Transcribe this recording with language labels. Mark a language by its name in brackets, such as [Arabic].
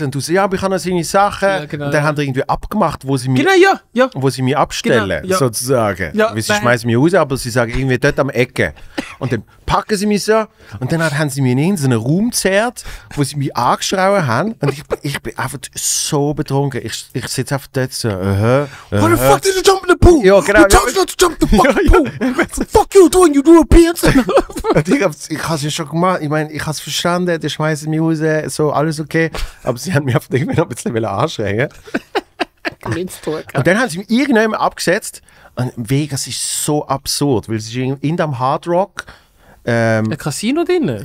[German] Und du so, ja, aber ich habe noch seine Sachen. Ja, genau, und dann ja. haben sie irgendwie abgemacht, wo sie mich, genau, ja, ja. Wo sie mich abstellen, genau, ja. sozusagen. Ja, weil sie schmeißen mich raus, aber sie sagen irgendwie dort am Ecke. Und dann packen sie mich so. Und dann haben sie mich in so einen Raum gezerrt, wo sie mich angeschraubt haben. Und ich bin einfach so betrunken. Ich sitze auf der Tür. [English] Why the fuck did you jump in the pool? [German] Ja, genau. [English] You told me not to jump in the fucking pool. [German] Ja, ja. [English] Fuck you doing, you Europeans. [German] Ich habe es schon gemacht. Ich meine, ich habe es verstanden. Die schmeißen mich raus. So, alles okay. Aber sie haben mich auf den Weg noch ein bisschen anschreien. Und dann haben sie mich irgendwann abgesetzt. Und Vegas ist so absurd, weil sie in dem Hard Rock. Ein Casino drinnen?